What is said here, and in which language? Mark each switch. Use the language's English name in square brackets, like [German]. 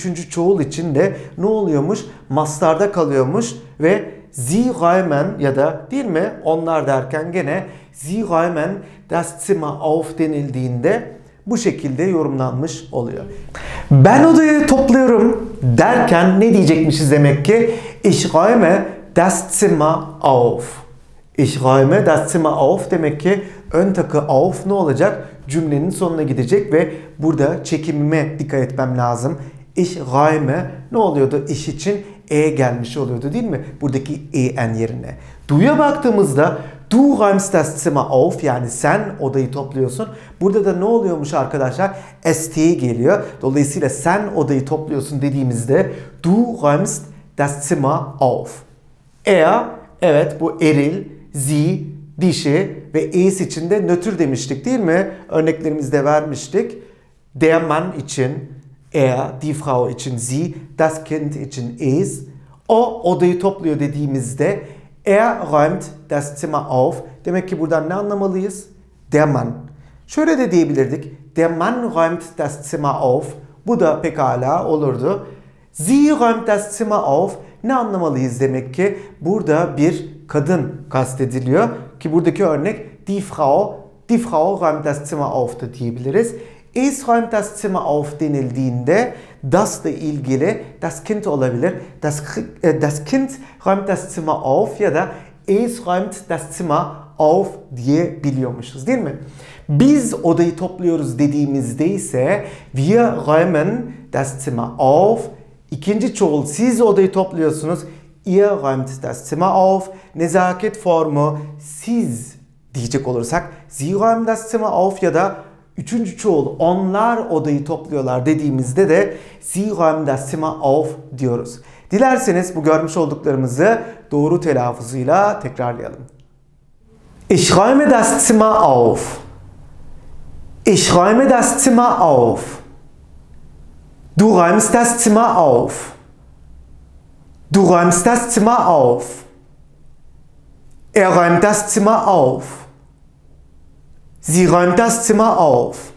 [Turkish] Üçüncü çoğul için de ne oluyormuş? Mastarda kalıyormuş ve [German] sie räumen [Turkish] ya da değil mi? Onlar derken gene [German] sie räumen das Zimmer auf [Turkish] denildiğinde bu şekilde yorumlanmış oluyor. Ben odayı topluyorum derken ne diyecekmişiz demek ki? [German] Ich räume das Zimmer auf. Ich räume das Zimmer auf [Turkish] demek ki ön takı auf ne olacak? Cümlenin sonuna gidecek ve burada çekimime dikkat etmem lazım. Ich räume ne oluyordu? Ich için e gelmiş oluyordu değil mi? Buradaki en yerine. Du'ya baktığımızda [German] du räumst das Zimmer auf, [Turkish] yani sen odayı topluyorsun. Burada da ne oluyormuş arkadaşlar? St geliyor. Dolayısıyla sen odayı topluyorsun dediğimizde [German] du räumst das Zimmer auf. [Turkish] Er, evet bu eril, sie, dişi ve es için de nötr demiştik değil mi? Örneklerimizde vermiştik. Der Mann için er, die Frau için sie, das Kind için es. O odayı topluyor dediğimizde [German] er räumt das Zimmer auf. [Turkish] Demek ki buradan ne anlamalıyız? Der Mann. Şöyle de diyebilirdik. [German] Der Mann räumt das Zimmer auf. Bu da pekala olurdu. Sie räumt das Zimmer auf. [Turkish] Ne anlamalıyız demek ki? Burada bir kadın kastediliyor. Ki buradaki örnek [German] die Frau räumt das Zimmer auf da diyebiliriz. Es räumt das Zimmer auf [Turkish] denildiğinde das da ilgili [German] das Kind olabilir. Das Kind räumt das Zimmer auf [Turkish] ya da [German] es räumt das Zimmer auf diyebiliyormuşuz değil mi? [Turkish] Biz odayı topluyoruz dediğimizde ise [German] wir räumen das Zimmer auf. [Turkish] İkinci çoğul siz odayı topluyorsunuz. [German] Ihr räumt das Zimmer auf. [Turkish] Nezaket formu siz diyecek olursak [German] sie räumen das Zimmer auf [Turkish] ya da üçüncü çoğul onlar odayı topluyorlar dediğimizde de [German] sie räumen das Zimmer auf [Turkish] diyoruz. Dilerseniz bu görmüş olduklarımızı doğru telaffuzuyla tekrarlayalım. [German] Ich räume das Zimmer auf. Ich räume das Zimmer auf. Du räumst das Zimmer auf. Du räumst das Zimmer auf. Er räumt das Zimmer auf. Sie räumt das Zimmer auf.